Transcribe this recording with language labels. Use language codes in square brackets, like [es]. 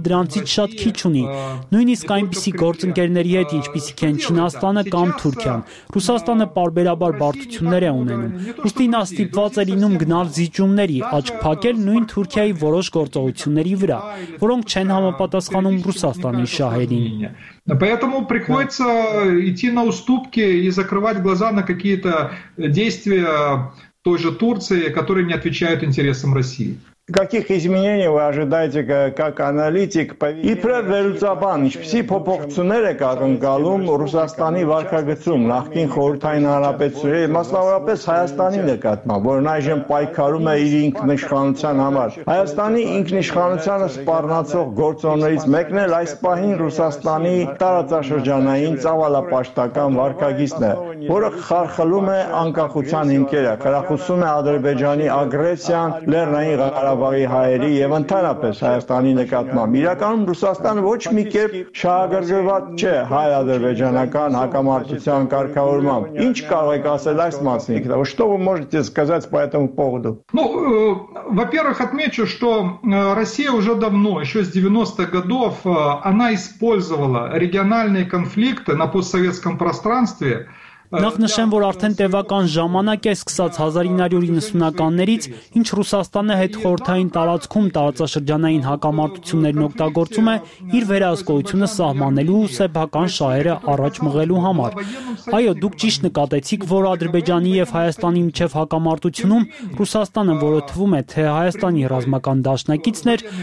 [hy] դրանցից շատ քիչ ունի։ Նույնիսկ այնպիսի գործընկերների հետ, ինչպիսիք են Չինաստանը կամ Թուրքիան, Ռուսաստանը պարբերաբար բարդություններ է ունենում։ Ուստի նա ստիպված է լինում գնալ զիջումների, աչք փակել նույն Թուրքիայի որոշ գործողությունների վրա, որոնք չեն համապատասխանում Ռուսաստանի շահերին։ [ru] Поэтому приходится идти на уступки и закрывать глаза на какие-то действия той же Турции, которые не отвечают интересам России. Каких изменений вы ожидаете как аналитик? И предварительно, [hy] ինչպիսի փոփոխություններ եք ակնկալում Ռուսաստանի վարկագծում նախքին խորհրդային հանրապետությունների, մասնավորապես Հայաստանի նկատմամբ, որն այժմ պայքարում է իր ինքնիշխանության համար։ Հայաստանի ինքնիշխանությունը սպառնացող գործոններից մեկն էլ այս պահին Ռուսաստանի տարածաշրջանային ցավալապաշտական վարկագիծն է, որը խարխլում է անկախության հիմքերը, կրախուսում է Ադրբեջանի ագրեսիան Լեռնային Ղարաբաղի հայերի եւ ընդհանրապես Հայաստանի նկատմամբ։ Իրականում Ռուսաստանը ոչ մի կերպ շահագրգռված չէ հայ-ադրբեջանական հակամարտության կարգավորմամբ։ Ինչ կարող եք ասել այս մասին, [ru] что вы можете сказать по этому поводу? Ну, во-первых, отмечу, что Россия уже давно, еще с 90-х годов, она использовала региональные конфликты на постсоветском пространстве. [hy] Նախ նշեմ, որ արդեն տևական ժամանակ է սկսած 1990-ականներից, ինչ Ռուսաստանը հետ խորհրդային տարածքում տարածաշրջանային հակամարտություններն օգտագործում է իր վերահսկողությունը սահմանելու ու սեփական շահերը առաջ մղելու համար։ Այո, դուք ճիշտ նկատեցիք, որ Ադրբեջանի եւ Հայաստանի միջև հակամարտությունում Ռուսաստանը որոթվում է, թե Հայաստանի ռազմական դաշնակիցն է,